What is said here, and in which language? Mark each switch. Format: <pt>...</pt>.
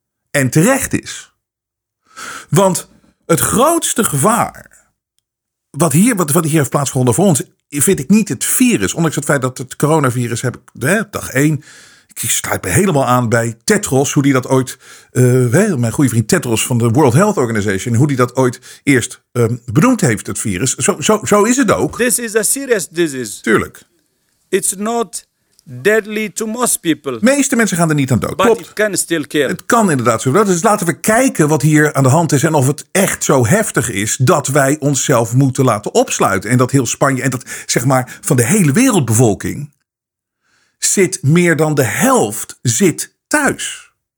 <nl>En terecht is? Want het grootste gevaar wat hier heeft plaatsgevonden voor ons, vind ik niet het virus. Ondanks het feit dat het coronavirus heb ik dag 1. Ik sluit me helemaal aan bij Tedros, hoe die dat ooit, mijn goede vriend Tedros van de World Health Organization, hoe die dat ooit eerst benoemd heeft, het virus. Zo is het ook.</nl> <en>This is a serious disease.</en> <nl>Tuurlijk.</nl> <en>It's not deadly to most people.</en> <nl>Meeste mensen gaan er niet aan dood.</nl> <en>But</en> <nl>klopt.</nl> <en>It can still kill.</en> <nl>Het kan inderdaad zo. Dus laten we kijken wat hier aan de hand is en of het echt zo heftig is dat wij onszelf moeten laten opsluiten. En dat heel Spanje en dat zeg maar van de hele wereldbevolking zit meer dan de helft zit thuis.</nl>